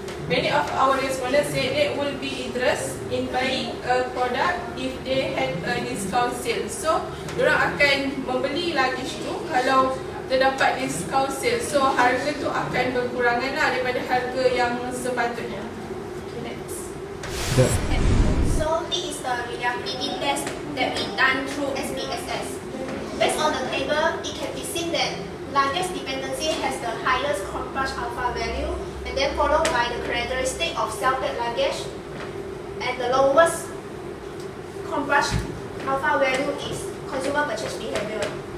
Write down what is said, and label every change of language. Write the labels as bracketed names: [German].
[English] Many of our respondents say they will be interested in buying a product if they had a discount sale. [Malay] So, mereka akan membeli luggage tu kalau terdapat discount sale. So, harga tu akan berkurangan lah daripada harga yang sepatutnya. [English] So this is the reliability test that we done through SPSS. Based on the table, it can be seen that largest dependency has the highest crush alpha value and then followed by the characteristic of self-pack luggage and the lowest crush alpha value is consumer purchase behavior.